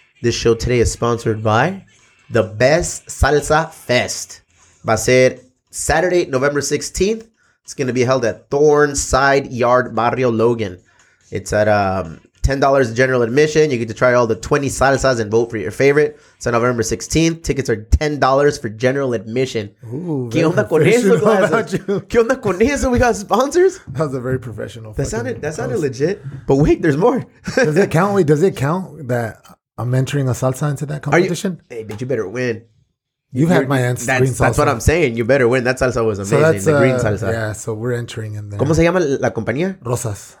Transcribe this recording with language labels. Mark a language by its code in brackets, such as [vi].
[en] This show today is sponsored by the Best Salsa Fest. [es] Va a ser [en] Saturday, November 16th. It's going to be held at Thornside Yard Barrio Logan. It's at $10 general admission. You get to try all the 20 salsas and vote for your favorite. It's on November 16th. Tickets are $10 for general admission. Ooh, [es] ¿qué onda con eso, glasses? ¿Qué onda con eso? [en] We got sponsors? That was a very professional. That sounded legit. But wait, there's more. Does it count that I'm entering a salsa into that competition? Hey, but you better win. You had my green salsa. That's what I'm saying. You better win. That salsa was amazing. So the green salsa. Yeah, so we're entering in there. [es] ¿Cómo se llama la compañía? Rosas.